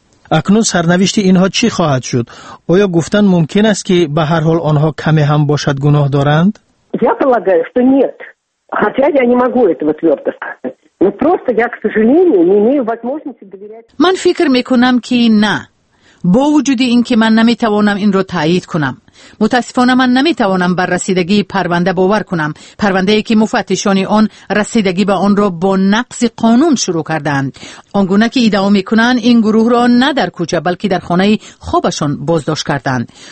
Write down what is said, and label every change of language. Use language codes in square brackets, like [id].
[fa] اکنون سرنوشت اینها چی خواهد شد؟ آیا گفتن ممکن است که به هر حال آنها کمی هم باشد گناه دارند؟ [ru] Я полагаю, что нет. Хотя я не могу этого твёрдо сказать. Но просто я, к сожалению, не имею возможности доверять. [fa] من فکر میکنم که نه. با وجود اینکه من نمیتوانم این را تایید کنم، متاسفانه من نمیتوانم بر رسیدگی پرونده باور کنم. پرونده ای که مفتشان آن رسیدگی به آن را با نقض قانون شروع کردند. آنگونه که ادعا میکنند این گروه را نه در کوچه بلکه در خانه خوابشان بازداشت کردند.